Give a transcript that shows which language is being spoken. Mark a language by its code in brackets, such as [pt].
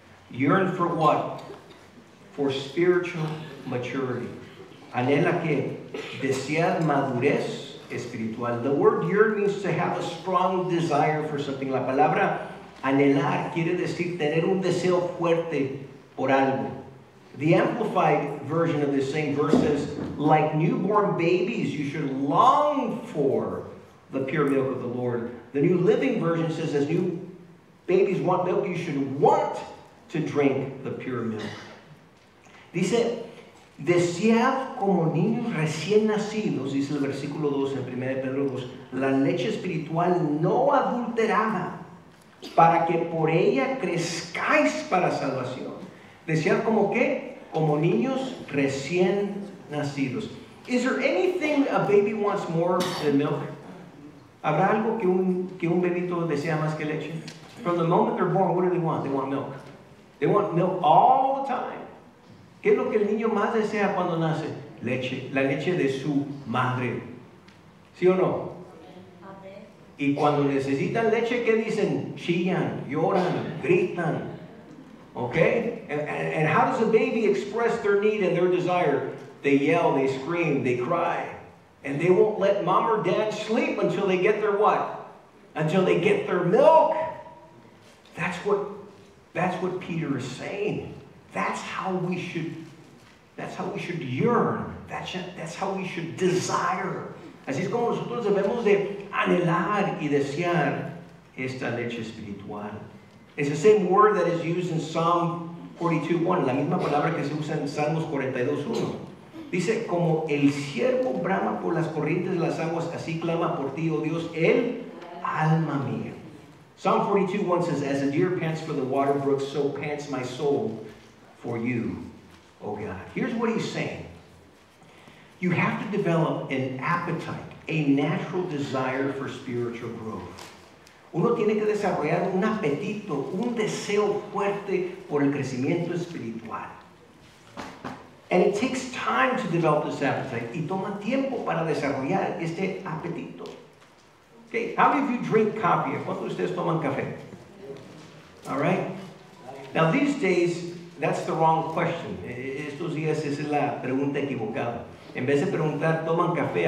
[en] Yearn for what? For spiritual maturity. [es] Anhela que desear madurez espiritual. [en] The word yearn means to have a strong desire for something. [es] La palabra anhelar quiere decir tener un deseo fuerte por algo. [en] The amplified version of this same verse says, like newborn babies, you should long for the pure milk of the Lord. The New Living Version says, as new babies want milk, you should want to drink the pure milk. [es] Dice, desead como niños recién nacidos, dice el versículo 2 en 1 Pedro 2, la leche espiritual no adulterada, para que por ella crezcáis para salvación. Desead como qué? Como niños recién nacidos. [en] Is there anything a baby wants more than milk? [es] ¿Habrá algo que un bebito desea más que leche? [en] From the moment they're born, what do they want? They want milk. They want milk all the time. [es] ¿Qué es lo que el niño más desea cuando nace? Leche. La leche de su madre. ¿Sí o no? Y cuando necesitan leche, ¿qué dicen? Chillan, lloran, gritan. [en] Okay? And how does a baby express their need and their desire? They yell, they scream, they cry. And they won't let mom or dad sleep until they get their what? Until they get their milk. That's what Peter is saying. That's how we should yearn. That's how we should desire. [es] Así es como nosotros debemos de anhelar y desear esta leche espiritual. [en] It's the same word that is used in Psalm 42:1. [es] La misma palabra que se usa en Salmos 42:1. Dice, como el siervo brama por las corrientes de las aguas, así clama por ti, oh Dios, el alma mía. [en] Psalm 42:1 says, as a deer pants for the water brook, so pants my soul for you, oh God. Here's what he's saying. You have to develop an appetite, a natural desire for spiritual growth. [es] Uno tiene que desarrollar un apetito, un deseo fuerte por el crecimiento espiritual. [en] And it takes time to develop this appetite. [es] Y toma tiempo para desarrollar este apetito. [en] Okay, how many of you drink coffee? [es] ¿Cuántos de ustedes toman café? [en] All right. Now these days, that's the wrong question. [es] Estos días es la pregunta equivocada. En vez de preguntar, ¿toman café?